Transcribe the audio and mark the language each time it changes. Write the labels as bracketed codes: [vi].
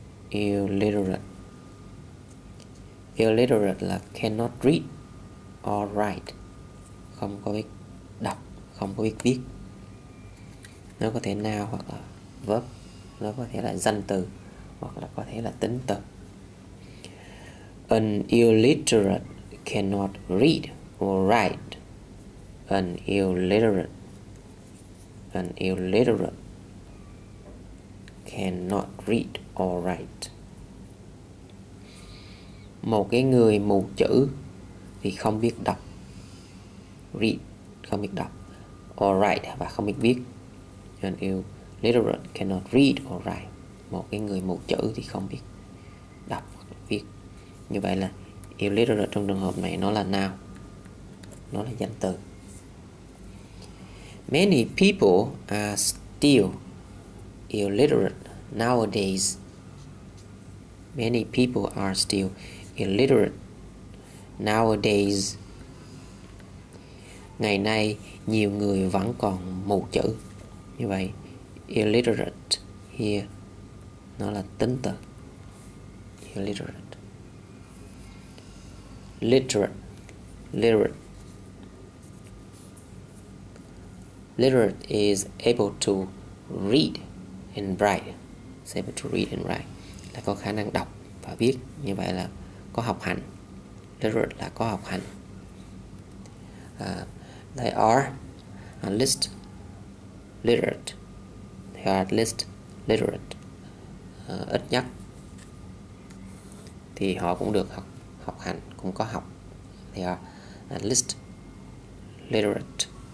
[en] Illiterate. Illiterate. Illiterate là cannot read or write. [vi] Không có biết đọc, không có biết viết. Nó có thể noun hoặc là verb. Nó có thể là danh từ hoặc là có thể là tính từ. [en] An illiterate cannot read or write. An illiterate. An illiterate cannot read or write. [vi] Một cái người mù chữ thì không biết đọc. Read, không biết đọc. [en] Or write, [vi] và không biết viết. [en] An illiterate cannot read or write. [vi] Một cái người mù chữ thì không biết đọc hoặc viết. Như vậy là illiterate trong trường hợp này nó là noun, nó là danh từ. [en] Many people are still illiterate nowadays. Many people are still illiterate nowadays. [vi] Ngày nay nhiều người vẫn còn mù chữ. Như vậy, [en] illiterate here, [vi] nó là tính từ. [en] Illiterate. Literate. Literate. Literate is able to read and write. It's able to read and write. [vi] Là có khả năng đọc và viết. Như vậy là có học hành. Literate là có học hành. [en] They are at least literate. They are at least literate. [vi] Ít nhất thì họ cũng được học, học hành, cũng có học. [en] They are at least literate.